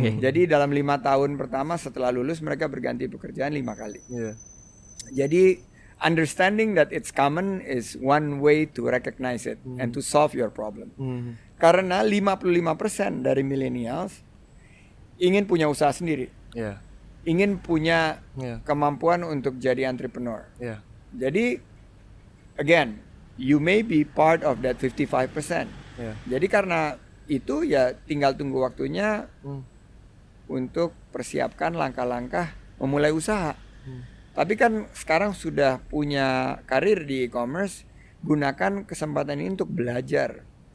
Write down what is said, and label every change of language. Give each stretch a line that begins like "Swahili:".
Indonesian: Jadi dalam 5 tahun pertama setelah lulus mereka berganti pekerjaan 5 kali.
English: Jadi understanding that it's common is one way to recognize it and to solve your problem.
Indonesian: Karena 55% dari millennials ingin punya usaha sendiri. Ingin punya kemampuan untuk jadi entrepreneur.
English: Jadi again, you may be part of that 55%.
Indonesian: Jadi karena itu ya tinggal tunggu waktunya untuk persiapkan langkah-langkah memulai usaha. Tapi kan sekarang sudah punya karir di e-commerce, gunakan kesempatan ini untuk belajar.